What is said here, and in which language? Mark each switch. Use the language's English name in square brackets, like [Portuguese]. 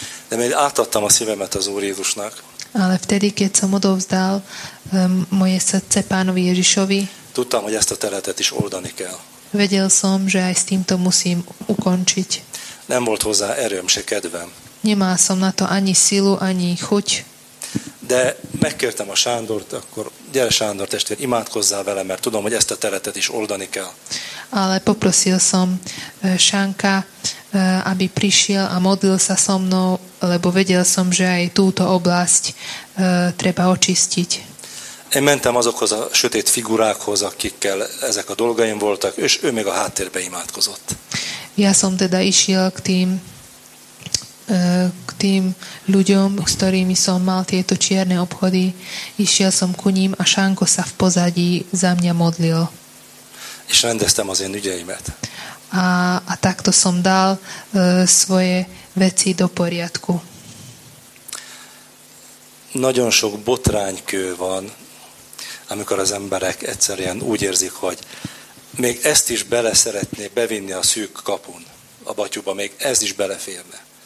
[Hungarian] De mert átadtam a szívemet az Úr Jézusnak. [Slovak] Ale vtedy, keď som odovzdal moje srdce Pánovi Ježišovi, [Hungarian] Tudtam, hogy ezt a területet is oldani kell. [Slovak] Vedel som, že aj s týmto musím ukončiť. [Hungarian] Nem volt hozzá erőm, se kedvem. [Slovak] Nemal som na to ani silu, ani chuť. [Hungarian] De megkértem a Sándort, akkor gyere Sándor testvér, imádkozzál vele, mert tudom, hogy ezt a területet is oldani kell. [Slovak] Ale poprosil som Sánka, aby prišiel a modlil sa so mnou, lebo vedel som, že aj túto oblasť treba očistiť. [Hungarian] Én mentem azokhoz a sötét figurákhoz, akikkel ezek a dolgaim voltak, és ő még a háttérbe imádkozott. [Slovak] Ja som teda išiel k tým ľuďom, s ktorými som mal tieto čierne obchody. Išiel som ku ním a Šánko sa v pozadí za mňa modlil. [Hungarian] És rendeztem az én ügyeimet. [Slovak] A takto som dal svoje veci do poriadku. [Hungarian] Nagyon sok botránykő van, amikor az emberek egyszerűen úgy érzik, hogy még ezt is bele szeretné bevinni a szűk kapun, a batyuba, még ez is beleférne.